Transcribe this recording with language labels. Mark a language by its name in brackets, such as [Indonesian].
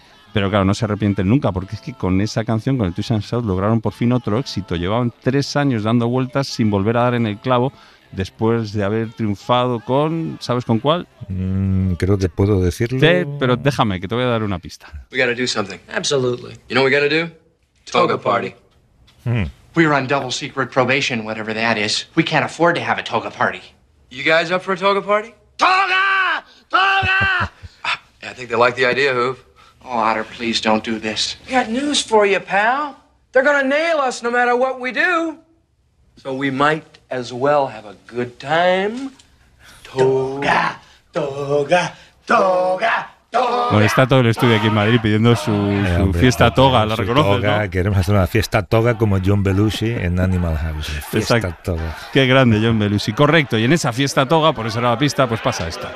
[Spanish] Pero claro, no se arrepienten nunca, porque es que con esa canción, con el Twist and Shout, lograron por fin otro éxito. Llevaban 3 años dando vueltas sin volver a dar en el clavo, después de haber triunfado con... ¿Sabes con cuál? Creo que puedo decirlo. Sí, pero déjame, que te voy a dar una pista. [English] We gotta do something. Absolutely. You know what we gotta do? Toga party. We're on double secret probation, whatever that is. We can't afford to have a toga party. You guys up for a toga party? Toga! Toga! I think they like the idea, Hoof. Oh, Otter, please don't do this. I got news for you, pal. They're gonna nail us no matter what we do. So we might as well have a good time. Toga, toga, toga. [Spanish] Bueno, está todo el estudio aquí en Madrid pidiendo su hombre, fiesta toga, la reconoces, toga, ¿no? Queremos hacer una fiesta toga como John Belushi en Animal House. Fiesta, exacto, toga. Qué grande John Belushi, correcto. Y en esa fiesta toga, por eso era la pista, pues pasa esto.